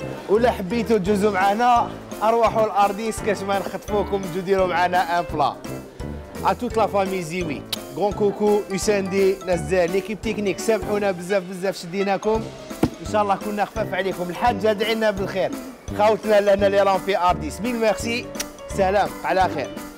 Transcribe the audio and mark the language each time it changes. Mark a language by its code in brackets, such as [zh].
[ar] ولا حبيتوا تجوزوا معنا اروحوا الارديس كاش ما نخطفوكم تجوا ديروا معنا ان بلا. [fr] À toute la famille Ziwi. Grand coucou Usendi Nazel, l'équipe technique, [ar] سامحونا بزاف بزاف شديناكم. ان شاء الله كنا خفاف عليكم. الحاج ادعي لنا بالخير. خاوتنا لنا اللي راهم في ارديس. ميل ميرسي. سلام على خير.